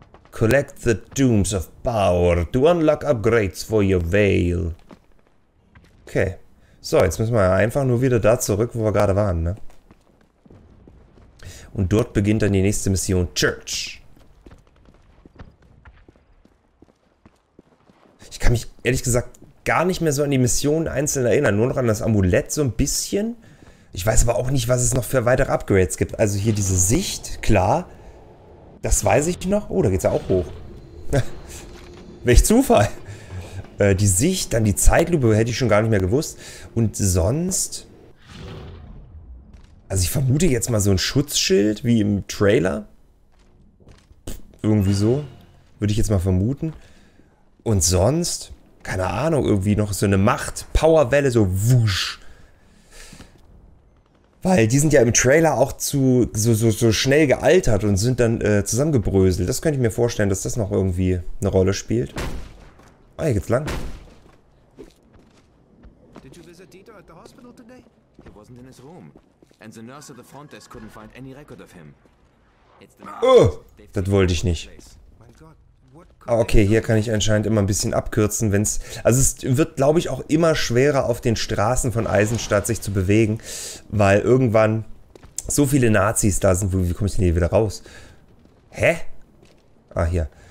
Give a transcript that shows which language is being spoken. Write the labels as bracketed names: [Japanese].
[English] Collect the Tombs of Power to unlock upgrades for your Veil. Okay. [German] So, jetzt müssen wir einfach nur wieder da zurück, wo wir gerade waren, ne? Und dort beginnt dann die nächste Mission, Church. Ich kann mich ehrlich gesagt gar nicht mehr so an die Missionen einzeln erinnern, nur noch an das Amulett so ein bisschen. Ich weiß aber auch nicht, was es noch für weitere Upgrades gibt. Also hier diese Sicht, klar. Das weiß ich noch. Oh, da geht's ja auch hoch. Welch Zufall. Die Sicht, dann die Zeitlupe, hätte ich schon gar nicht mehr gewusst. Und sonst... Also ich vermute jetzt mal so ein Schutzschild, wie im Trailer. Irgendwie so. Würde ich jetzt mal vermuten. Und sonst... Keine Ahnung, irgendwie noch so eine Macht, Powerwelle, so wusch. Weil die sind ja im Trailer auch zu so schnell gealtert und sind dann zusammengebröselt. Das könnte ich mir vorstellen, dass das noch irgendwie eine Rolle spielt. Oh, hier geht's lang. [English] Did you visit Dieter at the hospital today? He wasn't in his room. And the nurse at the front desk couldn't find any record of him. It's the... [German] Oh, das wollte ich nicht. Ah, okay, hier kann ich anscheinend immer ein bisschen abkürzen, wenn es... Also es wird, glaube ich, auch immer schwerer, auf den Straßen von Eisenstadt sich zu bewegen, weil irgendwann so viele Nazis da sind. Wie komme ich denn hier wieder raus? Hä? Ah, hier.